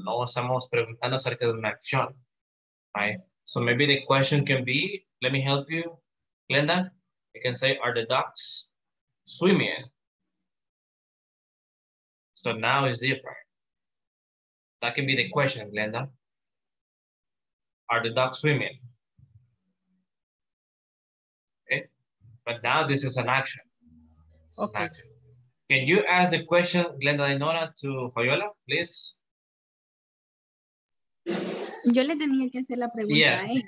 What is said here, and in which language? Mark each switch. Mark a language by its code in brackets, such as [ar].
[es] No estamos preguntando acerca de una acción, right? [en] So maybe the question can be, let me help you, Glenda. You can say, are the ducks swimming? So now it's different. That can be the question, Glenda. Are the ducks swimming? But now this is an action. Okay. Can you ask the question, Glenda Dinora, to Fabiola, please? [es] Yo le tenía que hacer la pregunta, yeah.